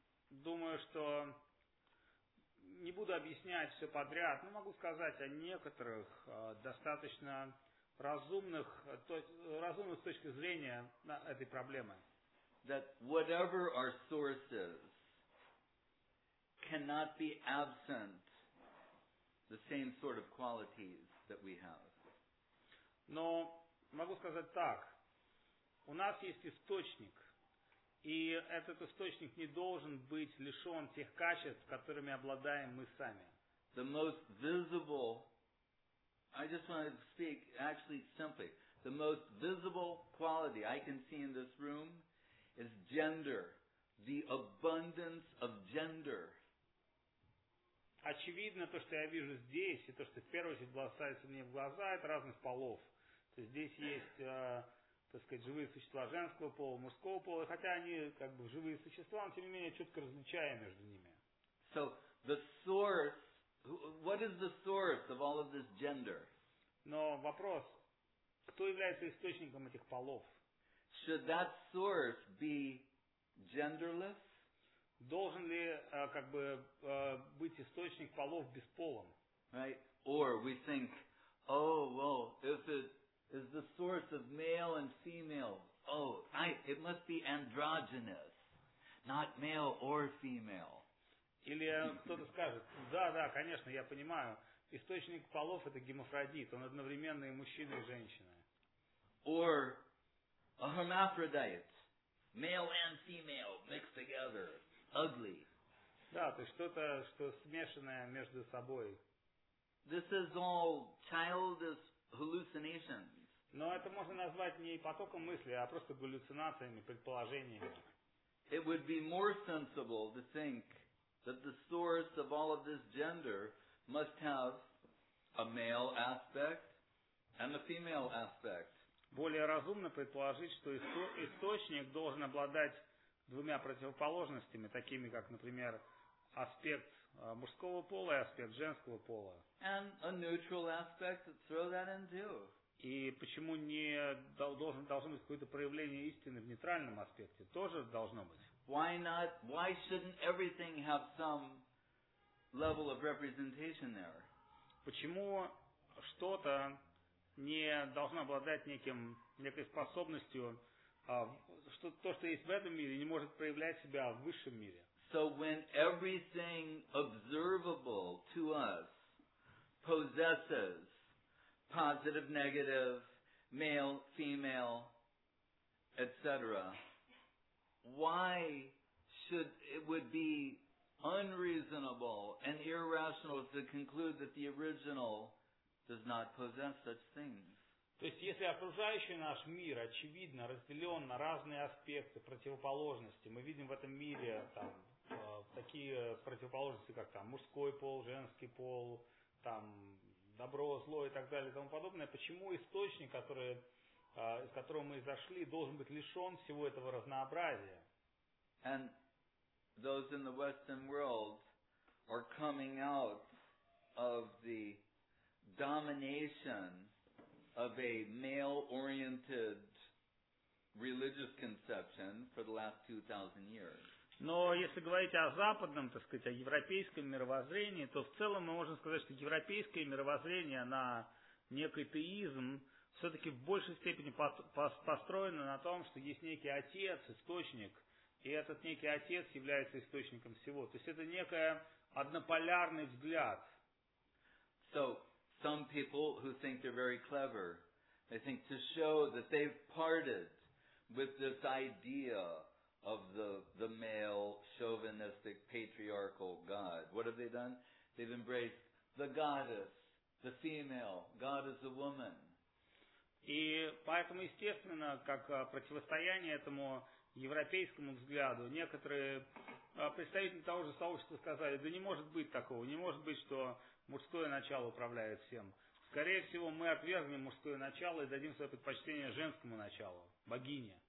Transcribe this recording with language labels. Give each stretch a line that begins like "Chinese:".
Russian: Думаю, что не буду объяснять все подряд, но могу сказать о некоторых достаточно разумных, разумных с точки зрения этой проблемы.
English: That whatever our sources cannot be absent the same sort of qualities that we have.
Russian: Но могу сказать так. У нас есть источник, и этот источник не должен быть лишен тех качеств, которыми обладаем мы сами.
English: The most visible, I just want to speak actually simply. The most visible quality I can see in this room is gender, the abundance of gender.
Russian: Очевидно, то, что я вижу здесь, и то, что в первую очередь бросается мне в глаза, это разность полов. То есть здесь есть, так сказать, живые существа женского пола, мужского пола, хотя они как бы живые существа, но тем не менее четко различаем между ними.
English: So the source. What is the source of all of this gender?
Russian: Но вопрос, кто является источником этих полов?
English: Should that source be genderless?
Russian: Должен ли как бы быть источник полов бесполым?
English: Right? Or we think, oh well, if it is the source of male and female, oh, it must be androgynous, not male or female.
Russian: Или кто-то скажет, да, да, конечно, я понимаю, источник полов это гермафродит, он одновременно и мужчина, и женщина.
English: Or a hermaphrodite, male and female mixed together, ugly.
Russian: Да, то есть что-то, что смешанное между собой.
English: This is all childish hallucinations.
Russian: Но это можно назвать не потоком мысли, а просто галлюцинациями, предположениями.
English: It would be more sensible to think that the source of all of this gender must have a male aspect and a female aspect.
Russian: Более разумно предположить, что источник должен обладать двумя противоположностями, такими как, например, аспект мужского пола и аспект женского пола.
English: And a neutral aspect, throw that in too.
Russian: И почему не должно быть какое-то проявление истины в нейтральном аспекте? Тоже должно быть.
English: Why not? Why shouldn't everything have some level of representation there?
Russian: Почему что-то не должно обладать неким, некой способностью, что то, что есть в этом мире, не может проявлять себя в высшем мире?
English: So when everything observable to us possesses positive, negative, male, female, etc., why should it would be unreasonable and irrational to conclude that the original does not possess such things?
Russian: То есть, если окружающий наш мир очевидно разделен на разные аспекты, противоположности, мы видим в этом мире там такие противоположности, как там мужской пол, женский пол, там добро, зло и так далее и тому подобное, почему источник, который из которого мы изошли, должен быть лишен всего этого разнообразия?
English: And those in the Western world are coming out of the domination of a male-oriented religious conception for the last 2,000 years.
Russian: Но если говорить о западном, так сказать, о европейском мировоззрении, то в целом мы можем сказать, что европейское мировоззрение на некий теизм все-таки в большей степени построено на том, что есть некий отец, источник, и этот некий отец является источником всего. То есть это некий однополярный взгляд.
English: So, some people who think they're very clever, they think to show that they've parted with this idea of the male chauvinistic patriarchal god. What have they done? They've embraced the goddess, the female, God is a woman.
Russian: И поэтому, естественно, как противостояние этому европейскому взгляду, некоторые представители того же сообщества сказали, да не может быть такого, не может быть, что мужское начало управляет всем. Скорее всего, мы отвергнем мужское начало и дадим свое предпочтение женскому началу, богине.